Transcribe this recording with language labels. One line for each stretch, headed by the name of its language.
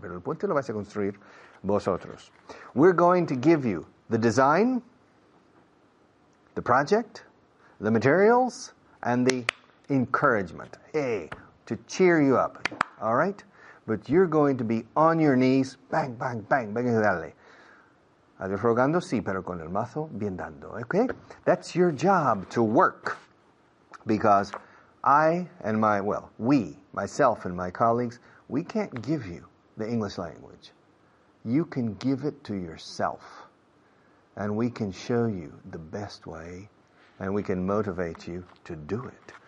Spanish: Pero el puente lo vais a construir vosotros.
English: We're going to give you the design, the project, the materials, and the encouragement. Hey, to cheer you up. All right? But you're going to be on your knees. Bang, bang, bang.
Spanish: Venga, dale. Rogando, sí, pero con el mazo bien dando.
English: Okay? That's your job, to work. Because myself and my colleagues, we can't give you the English language. You can give it to yourself. And we can show you the best way. And we can motivate you to do it.